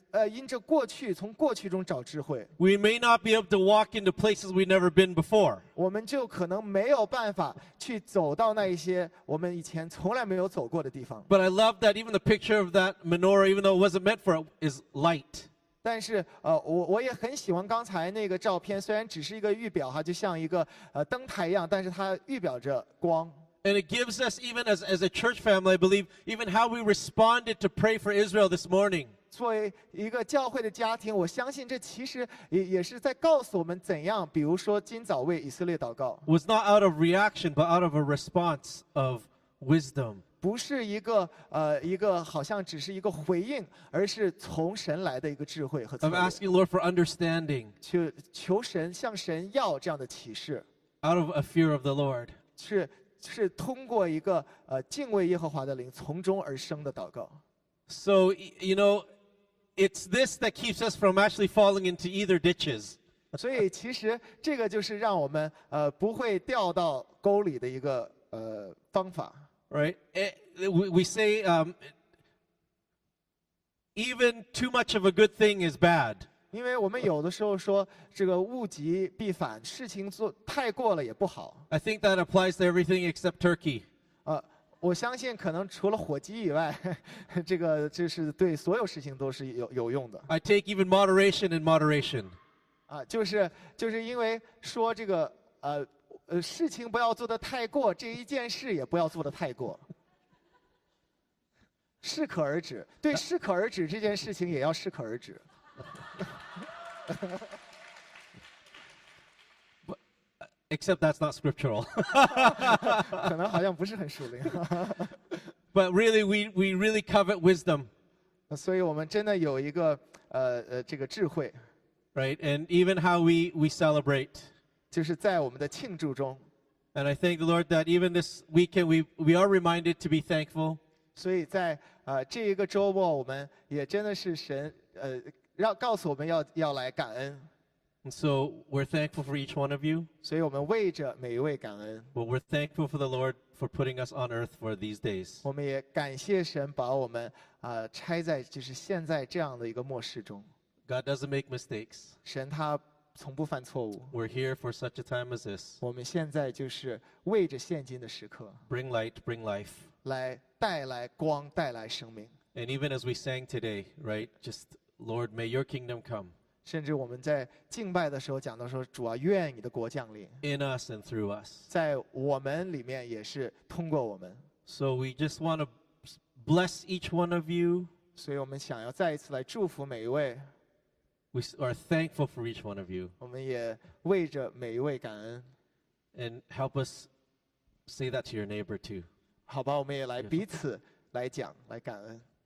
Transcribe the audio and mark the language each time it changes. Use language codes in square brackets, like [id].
[zh] 因着过去，从过去中找智慧。 [en] We may not be able to walk into places we've never been before. [zh] 我们就可能没有办法去走到那一些我们以前从来没有走过的地方。 [en] But I love that even the picture of that menorah, even though it wasn't meant for it, is light. [zh] 但是我也很喜欢刚才那个照片，虽然只是一个预表哈，就像一个灯台一样，但是它预表着光。 [en] And it gives us, even as a church family, I believe, even how we responded to pray for Israel this morning. [zh] 作为一个教会的家庭，我相信这其实也是在告诉我们怎样，比如说今早为以色列祷告。 [en] Was not out of reaction, but out of a response of wisdom. [zh] 不是一个一个好像只是一个回应，而是从神来的一个智慧和。 [en] Of asking Lord for understanding. [zh] 求神向神要这样的启示。 [en] Out of a fear of the Lord. [zh] 是通过一个敬畏耶和华的灵从中而生的祷告。 [en] So, you know, it's this that keeps us from actually falling into either ditches. [zh] 所以其实这个就是让我们不会掉到沟里的一个方法。 [en] Right? We say, even too much of a good thing is bad. [zh] 因为我们有的时候说这个物极必反，事情做太过了也不好。 [en] I think that applies to everything except turkey. [zh] 我相信可能除了火鸡以外，这个这是对所有事情都是有用的。 [en] I take even moderation in moderation. [zh] 就是因为说这个事情不要做得太过，这一件事也不要做得太过。适可而止，对适可而止这件事情也要适可而止。 [en] But except that's not scriptural. [zh] 可能好像不是很属灵。 [en] But really, we really covet wisdom. [zh] 所以我们真的有一个这个智慧。 [en] Right, and even how we celebrate. [zh] 就是在我们的庆祝中。 [en] And I thank the Lord that even this weekend we are reminded to be thankful. [zh] 所以在这一个周末，我们也真的是神让告诉我们要来感恩。 [en] And so we're thankful for each one of you. [zh] 所以我们为着每一位感恩。 [en] But we're thankful for the Lord for putting us on earth for these days. [zh] 我们也感谢神把我们拆在就是现在这样的一个末世中。 [en] God doesn't make mistakes. [zh] 神他从不犯错误。 [en] We're here for such a time as this. [zh] 我们现在就是为着现今的时刻。 [en] Bring light, bring life. [zh] 来带来光，带来生命。 [en] And even as we sang today, right? Just Lord, may your kingdom come. [zh] 甚至我们在敬拜的时候讲到说，主啊，愿你的国降临。 [en] In us and through us. [zh] 在我们里面也是通过我们。 [en] So we just want to bless each one of you. [zh] 所以我们想要再一次来祝福每一位。 [en] We are thankful for each one of you. [zh] 我们也为着每一位感恩。 [en] And help us say that to your neighbor too. [zh] 好吧，我们也来彼此来讲，来感恩。